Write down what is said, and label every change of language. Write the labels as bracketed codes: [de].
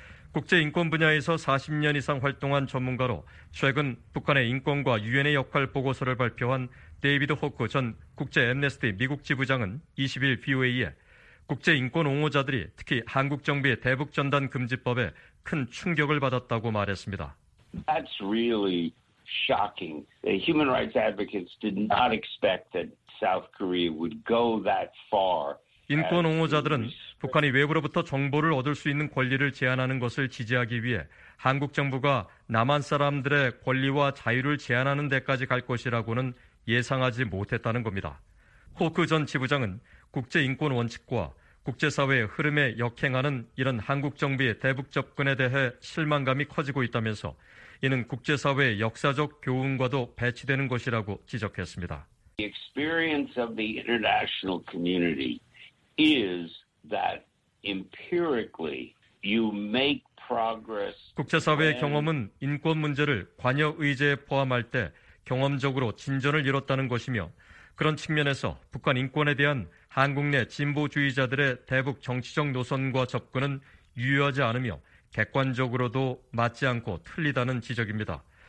[ko] 국제인권 분야에서 40년 이상 활동한 전문가로 최근 북한의 인권과 유엔의 역할 보고서를 발표한 데이비드 호크 전 국제 앰네스티 미국 지부장은 20일 VOA에 국제인권 옹호자들이 특히 한국 정부의 대북전단금지법에 큰 충격을 받았다고 말했습니다. [en] That's really shocking. The human rights advocates did not expect that South Korea would go that far. [ko] 인권 옹호자들은 북한이 외부로부터 정보를 얻을 수 있는 권리를 제한하는 것을 지지하기 위해 한국 정부가 남한 사람들의 권리와 자유를 제한하는 데까지 갈 것이라고는 예상하지 못했다는 겁니다. 호크 전 지부장은 국제인권 원칙과 국제사회의 흐름에 역행하는 이런 한국 정부의 대북 접근에 대해 실망감이 커지고 있다면서 이는 국제사회의 역사적 교훈과도 배치되는 것이라고 지적했습니다. [en] The experience of the international community is that empirically you make progress. [ko] 국제사회의 경험은 인권 문제를 관여 의제에 포함할 때 경험적으로 진전을 이뤘다는 것이며 그런 측면에서 북한 인권에 대한 한국 내 진보주의자들의 대북 정치적 노선과 접근은 유효하지 않으며 객관적으로도 맞지 않고 틀리다는 지적입니다.